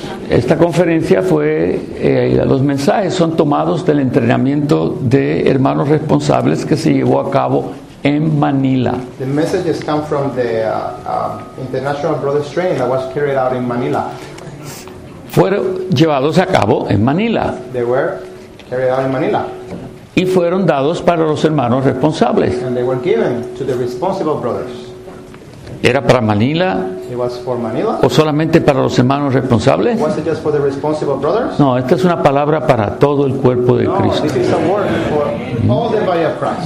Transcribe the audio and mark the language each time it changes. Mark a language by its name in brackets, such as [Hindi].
[Spanish] Esta conferencia fue, los mensajes son tomados del entrenamiento de hermanos responsables que se llevó a cabo en Manila. [English] The messages come from the International Brothers Training that was carried out in Manila. [Spanish] Fueron llevados a cabo en Manila. [English] They were carried out in Manila. [Spanish] Y fueron dados para los hermanos responsables. [English] And they were given to the responsible brothers. [Spanish] ¿Era para Manila? [English] It was for Manila. [Spanish] ¿O solamente para los hermanos responsables? [English] Was it just for the responsible brothers? [Spanish] No, esta es una palabra para todo el cuerpo de Cristo. [English] This is a word for all the body of Christ.